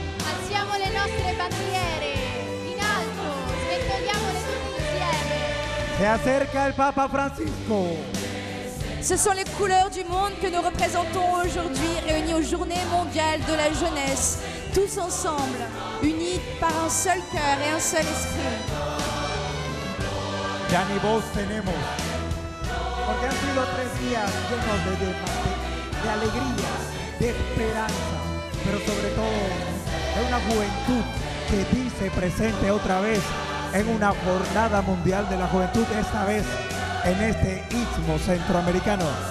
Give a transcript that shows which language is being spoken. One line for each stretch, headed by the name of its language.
Italian: Alziamo le nostre bandiere in alto, svegliamole tutti insieme.
Spanish: Se acerca il Papa Francisco.
French: Ce sont les couleurs du monde que nous représentons aujourd'hui, réunis aux Journées mondiales de la jeunesse, tous ensemble, unis par un seul cœur et un seul esprit.
Spanish: Ya ni voz tenemos, porque han sido tres días llenos de alegría, de esperanza, pero sobre todo de una juventud que dice presente otra vez en una jornada mundial de la juventud, esta vez en este istmo centroamericano.